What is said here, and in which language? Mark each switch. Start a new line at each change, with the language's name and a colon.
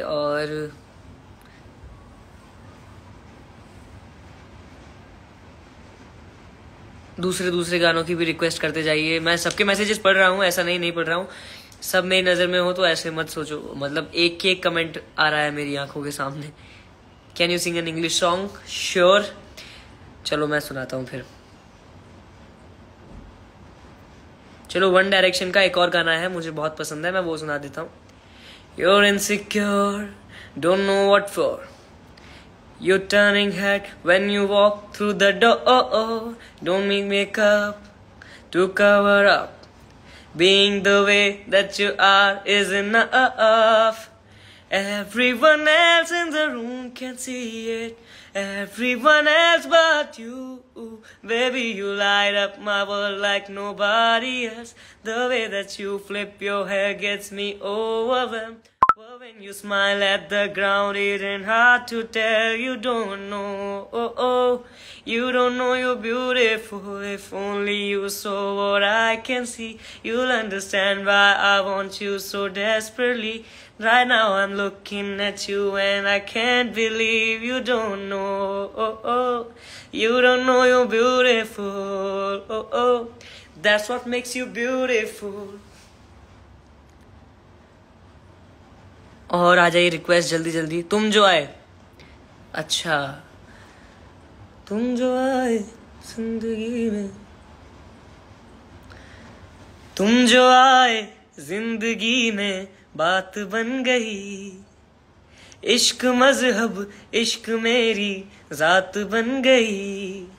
Hindi: और दूसरे दूसरे गानों की भी रिक्वेस्ट करते जाइए, मैं सबके मैसेजेस पढ़ रहा हूँ, ऐसा नहीं नहीं पढ़ रहा हूँ, सब मेरी नजर में हो तो ऐसे मत सोचो, मतलब एक एक कमेंट आ रहा है मेरी आंखों के सामने।
English: can you sing an English song, sure,
Hindi: चलो मैं सुनाता हूँ फिर। चलो वन डायरेक्शन का एक और गाना है, मुझे बहुत पसंद है, मैं वो सुना देता हूँ।
English: Your insecure don't know what for, you turning head when you walk through the door, don't need makeup to cover up, being the way that you are is enough, everyone else in the room can see it, everyone else but you, baby you light up my world like nobody else, the way that you flip your hair gets me overwhelmed, when you smile at the ground it ain't hard to tell, you don't know, oh oh, you don't know you're beautiful, if only you saw what I can see, you'll understand why I want you so desperately. Right now I'm looking at you and I can't believe you don't know, oh, oh, you don't know you're beautiful, oh, oh, that's what makes you beautiful.
Hindi: और आ जाइए request जल्दी जल्दी, तुम जो आए, अच्छा तुम जो आए जिंदगी में, तुम जो आए जिंदगी में बात बन गई, इश्क मजहब इश्क मेरी जात बन गई,